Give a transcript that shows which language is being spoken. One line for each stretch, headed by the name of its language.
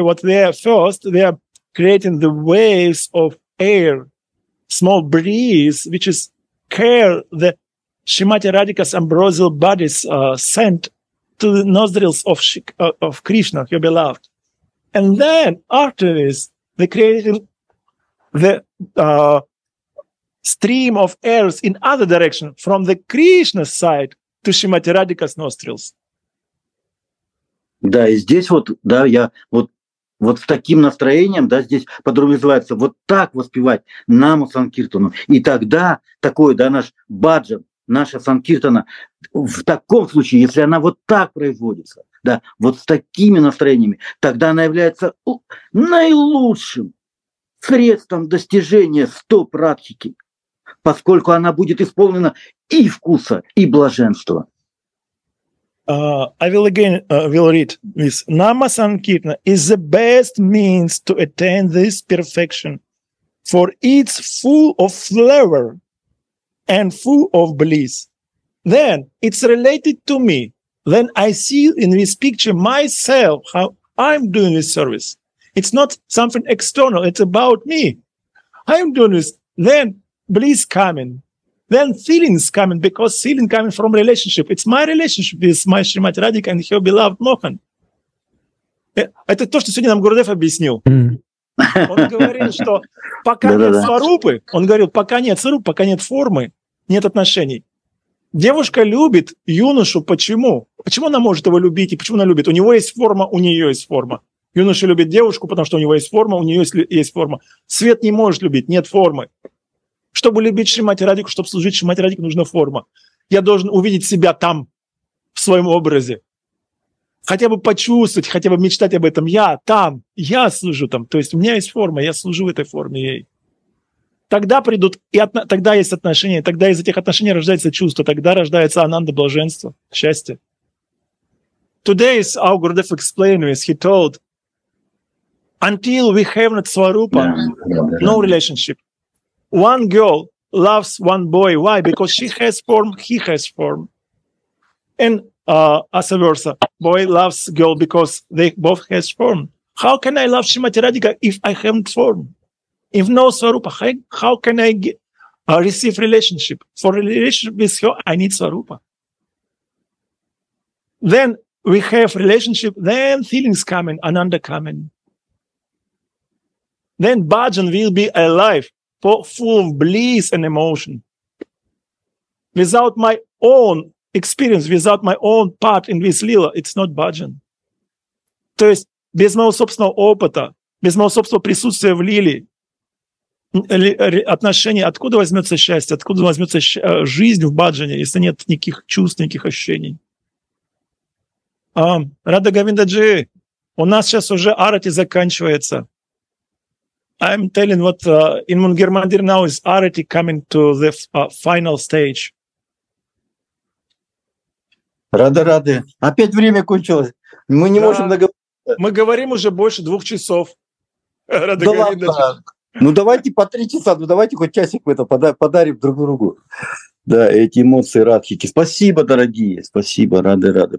English: What they are first, they are creating the waves of air, small breeze, which is care the Srimati Radhika's ambrosial body's scent to the nostrils of Krishna, your beloved. And then after this, they created the stream of airs in other direction from the Krishna side to Srimati Radhika's nostrils.
Russian: Да, и здесь вот, да, я вот, вот с таким настроением, да, здесь подразумевается вот так воспевать Наму Санкиртану. И тогда такой, да, наш баджан, наша Санкиртана, в таком случае, если она вот так производится, да, вот с такими настроениями, тогда она является наилучшим средством достижения стоп Радхики, поскольку она будет исполнена и вкуса, и блаженства.
English: I will again will read this. Nama Sankirtana is the best means to attain this perfection, for it's full of flavor and full of bliss. Then it's related to me. Then I see in this picture myself how I'm doing this service. It's not something external. It's about me. I'm doing this. Then bliss coming, then feelings coming, because feeling coming from relationship. It's my relationship with my Srimati Radhika and her beloved Mohan.
Russian: Это то, что сегодня нам Гурудев объяснил. Он говорил, пока нет сварупы, пока нет формы, нет отношений. Девушка любит юношу, почему? Почему она может его любить и почему она любит? У него есть форма, у нее есть форма. Юноша любит девушку, потому что у него есть форма, у нее есть форма. Свет не может любить, нет формы. Чтобы любить Шримати Радику, чтобы служить Шримати Радику, нужна форма. Я должен увидеть себя там, в своем образе. Хотя бы почувствовать, хотя бы мечтать об этом. Я там, я служу там. То есть у меня есть форма, я служу в этой форме ей. Тогда придут, и тогда есть отношения, тогда из этих отношений рождается чувство, тогда рождается ананда, блаженство, счастье.
English: Today is our Gurudev explained this. He told, until we have not Swarupa, no relationship. One girl loves one boy. Why? Because she has form, he has form. And vice versa. Boy loves girl because they both has form. How can I love Srimati Radhika if I haven't form? If no Swarupa, how can I receive relationship? For relationship with her, I need Swarupa. Then we have relationship, then feelings coming, ananda coming. Then bhajan will be alive. Full of bliss and emotion. Without my own experience, without my own part in this lila, it's not bhajan.
Russian: То есть без моего собственного опыта, без моего собственного присутствия в лиле, отношения, откуда возьмется счастье, откуда возьмется жизнь в бхаджане, если нет никаких чувств, никаких ощущений. Радха Говиндаджи, у нас сейчас уже арати заканчивается.
English: I'm telling what in Munger Mandir now is already coming to the final stage.
Russian: Рады-рады. Опять время кончилось. Мы не можем договориться. Мы говорим уже больше двух часов. Рады-рады. Ну, давайте по три часа, ну, давайте хоть часик это подарим друг другу. Да, эти эмоции радхики. Спасибо, дорогие, спасибо, рады-рады.